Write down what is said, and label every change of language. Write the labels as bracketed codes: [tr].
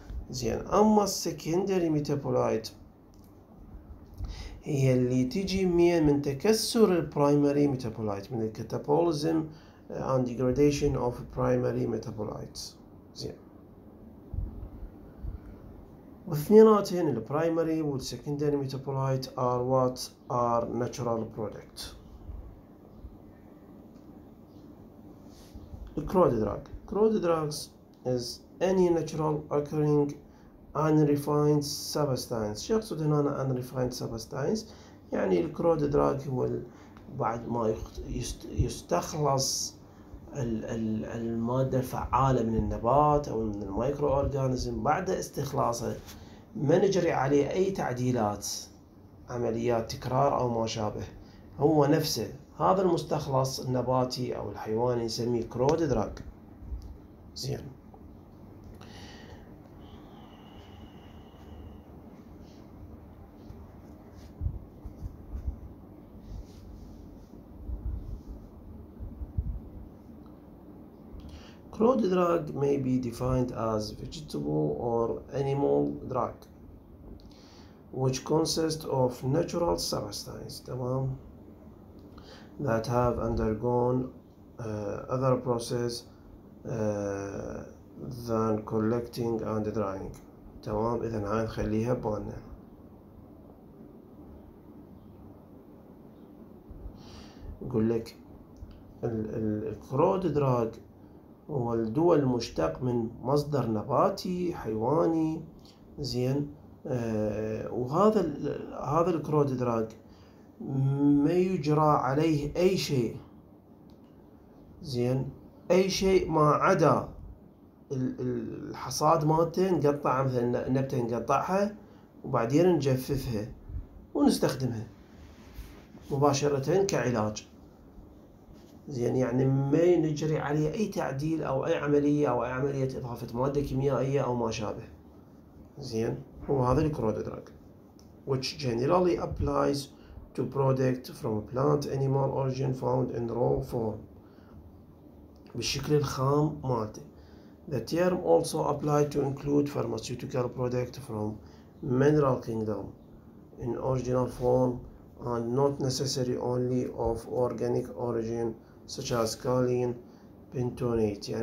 [ar] زين، أما [en] secondary metabolite [ar] هي اللي تجي من تكسر [en] primary metabolite، [ar] من الكتابوليزم [en] and degradation of primary metabolites. [ar] زين، واثنيناتهن [en] primary والsecondary metabolite are what are natural product. الكرود drug, crude drugs is any natural occurring unrefined substance. [ar] شو يقصد هنا [en] unrefined substance؟ [ar] يعني الكرود دراج هو بعد ما يستخلص المادة الفعالة من النبات أو من المايكرو أورجانزم، بعد استخلاصه ما نجري عليه أي تعديلات، عمليات تكرار أو ما شابه، هو نفسه هذا المستخلص النباتي أو الحيواني نسميه كرود دراج. زين، [en] Crude drug may be defined as vegetable or animal drug, which consists of natural substances, tamam, that have undergone other process than collecting and drying. [ar] تمام، إذا هاي نخليها بالنا. يقول لك الكرود دراج هو الدواء المشتق من مصدر نباتي حيواني، زين. وهذا الكرود دراج ما يجرى عليه أي شيء، زين، أي شيء ما عدا الحصاد مالته، نقطع مثلا نبتة نقطعها وبعدين نجففها ونستخدمها مباشرة كعلاج، زين. يعني ما نجري عليه أي تعديل أو أي عملية أو أي عملية إضافة مادة كيميائية أو ما شابه، زين. هو هذا الكرود دراج [en] which generally applies to product from plant animal origin found in raw form، [ar] بالشكل الخام مالته. [en] The term also applied to include pharmaceutical product from mineral kingdom in original form and not necessary only of organic origin such as kaolin bentonite.